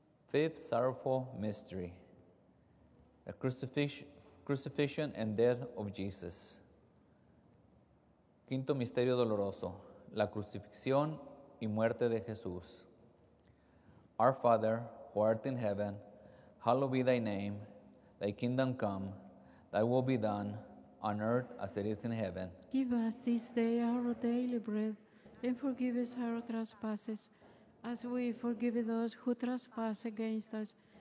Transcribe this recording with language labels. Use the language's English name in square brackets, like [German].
[English] Fifth sorrowful mystery, the crucifixion and death of Jesus. [Spanish] Quinto misterio doloroso, la crucifixión y muerte de Jesús. [English] Our Father, who art in heaven, hallowed be thy name. Thy kingdom come, thy will be done, on earth as it is in heaven. Give us this day our daily bread, and forgive us our trespasses, as we forgive those who trespass against us.